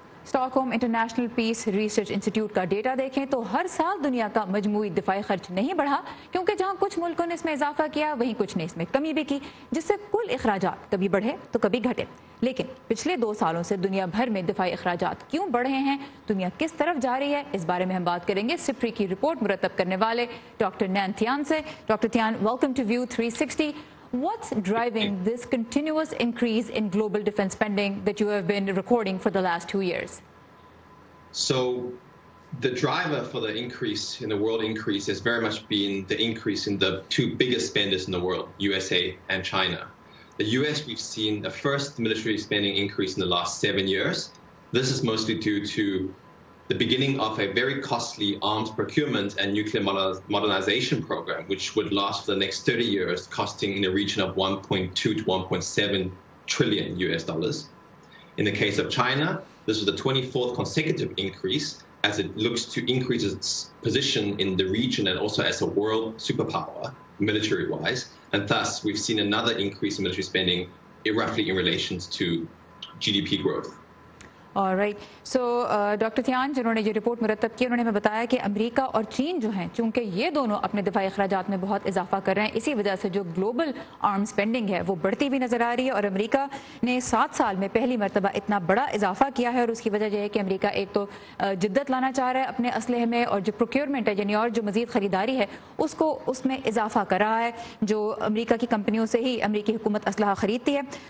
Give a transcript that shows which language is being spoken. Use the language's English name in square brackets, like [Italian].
[Urdu] اسٹاکہولم international peace research institute کا data دیکھیں تو ہر سال دنیا کا مجموعی دفاعی خرچ نہیں بڑھا، کیونکہ جہاں کچھ ملکوں نے اس میں اضافہ کیا وہیں کچھ نے اس میں کمی بھی کی، جس سے کل اخراجات کبھی بڑھے تو کبھی گھٹے. لیکن پچھلے دو سالوں سے دنیا بھر میں دفاعی اخراجات کیوں بڑھے ہیں، دنیا کس طرف جا رہی ہے، اس بارے میں ہم بات کریں گے سپری کی رپورٹ مرتب کرنے والے ڈاکٹر نین تھیان سے. [English] Doctor Tian, welcome to view 360. What's driving this continuous increase in global defense spending that you have been recording for the last 2 years? So the driver for the increase in the world increase has very much been the increase in the two biggest spenders in the world, USA and China. The US, we've seen the first military spending increase in the last 7 years. This is mostly due to the beginning of a very costly arms procurement and nuclear modernization program, which would last for the next 30 years, costing in the region of 1.2 to 1.7 trillion US dollars. In the case of China, this is the 24th consecutive increase as it looks to increase its position in the region and also as a world superpower, military-wise. And thus, we've seen another increase in military spending, roughly in relation to GDP growth. Alright. [Urdu] So, doctor تھیان، جنہوں نے یہ report مرتب کی، انہوں نے ہمیں بتایا کہ امریکہ اور چین جو ہیں، چونکہ یہ دونوں اپنے دفاعی اخراجات میں بہت اضافہ کر رہے ہیں، اسی وجہ سے جو گلوبل آرم اسپینڈنگ ہے وہ بڑھتی بھی نظر آ رہی ہے، اور امریکہ نے 7 سال میں پہلی مرتبہ اتنا بڑا اضافہ کیا ہے. اور اس کی وجہ یہ ہے کہ امریکہ ایک تو جدت لانا چاہ رہا ہے اپنے اسلحے میں، اور جو پروکیورمنٹ ہے یعنی اور جو مزید خریداری ہے اس کو اس میں اضافہ کر رہا ہے، جو امریکہ کی کمپنیوں سے ہی امریکی حکومت اسلحہ خریدتی ہے.